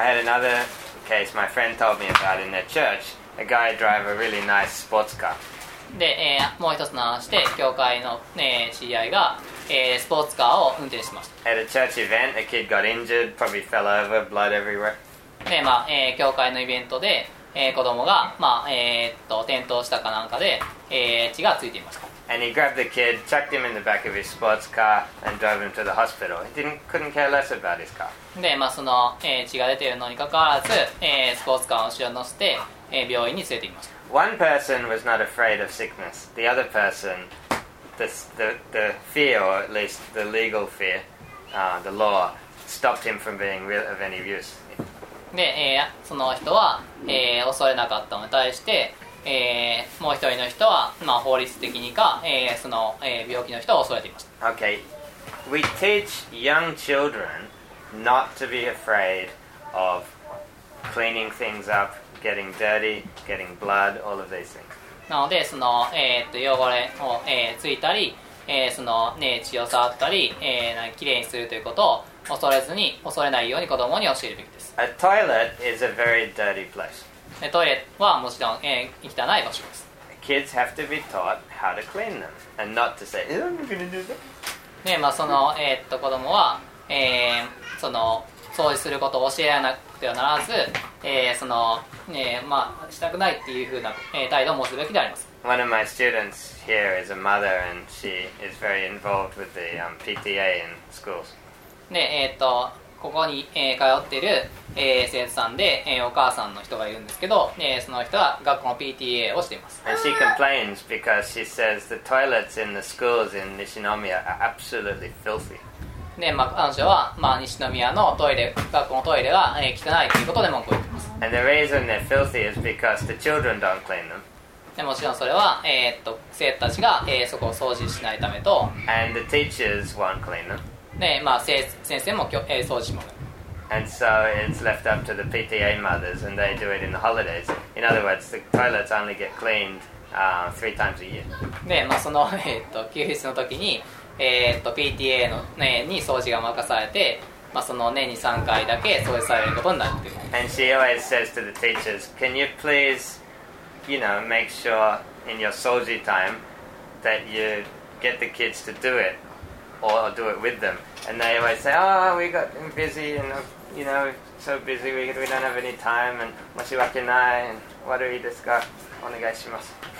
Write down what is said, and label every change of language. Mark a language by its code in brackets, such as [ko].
[en] I had another case my friend told me about in their church. A guy drive a really nice sports car. [ja] で、もう一つの話で、教会の、知り合いが、スポーツカーを運転しました。 [en] At a church event, a kid got injured, probably fell over, blood everywhere. [ja] でまあ教会のイベントで、子供が、まあ転倒したかなんかで、血がついていました。 [en] And he grabbed the kid, chucked him in the back of his sports car, and drove him to the hospital. He couldn't care less about his car. [ja] で、まあ、その、血が出ているのにかかわらず、スポーツカーを後ろに乗せて、病院に連れて行きました。 [en] One person was not afraid of sickness. The other person, the fear, or at least the legal fear, the law, stopped him from being of any use. [ja] で、その人は、恐れなかったのに対して、もう一人の人は、まあ、法律的にか、その、病気の人を恐れていました。 [en] Okay. We teach young children not to be afraid of cleaning things up, getting dirty, getting blood, all of these things. [ja] なので、その、汚れを、ついたり、その、血を触ったり、きれいにするということを恐れないように子供に教えるべきです。 [en] A toilet is a very dirty place. [ja] トイレはもちろん、汚い場所です。 [en] Kids have to be taught how to clean them and not to say, I'm gonna do that. [ja] で、まあ、その、子供は、その、掃除することを教えなくてはならず、その、まあ、したくないっていうふうな、態度を持つべきであります。 [en] One of my students here is a mother and she is very involved with the PTA in schools. [ja] でここに、通っている、生徒さんで、お母さんの人がいるんですけど、その人は学校の PTA をしています。 [en] And she complains because she says the toilets in the schools in Nishinomiya are absolutely filthy. [ja] で、まあ、彼女は、まあ、西宮のトイレ、学校のトイレが、汚いということで文句を言っています。 [en] And the reason they're filthy is because the children don't clean them. [ja] でもちろんそれは、生徒たちが、そこを掃除しないためと。 [en] And the teachers won't clean them. [ja] ねまあ、先生も、掃除します。 [en] And so it's left up to the PTA mothers and they do it in the holidays. In other words, the toilets only get cleaned, three times a year. [ja] で、まあ、その、休日の時に、PTA の、ね、に掃除が任されて、まあ、その年に3回だけ掃除されることになっています。 [en] And she always says to the teachers, can you please, you know, make sure in your 掃除 time that you get the kids to do it? Or do it with them. And they always say, oh, we got busy and, you know, so busy, we don't have any time, and [ja] moshiwakenai, [en] and what are you discussing? [ja] Onegaishimasu.